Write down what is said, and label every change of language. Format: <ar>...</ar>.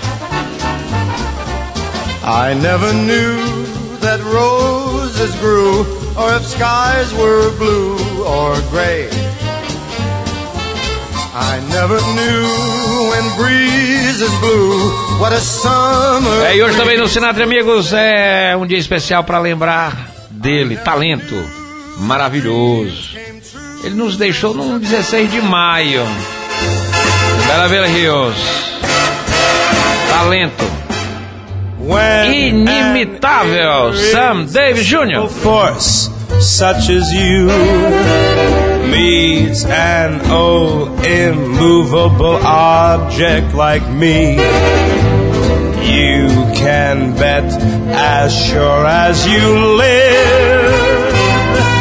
<en>I never knew that roses grew, or if skies were blue or gray. I never knew when breezes blew, what a summer.</en> <pt>E hoje também no Sinatra, amigos, é um dia especial para lembrar dele, talento maravilhoso. Ele nos deixou no 16 de maio. Maravilha, Rios. Talento inimitável, Sam Davis Jr.</pt> <en>Force such as you meets an old immovable object like me. You can bet as sure as you live.</en>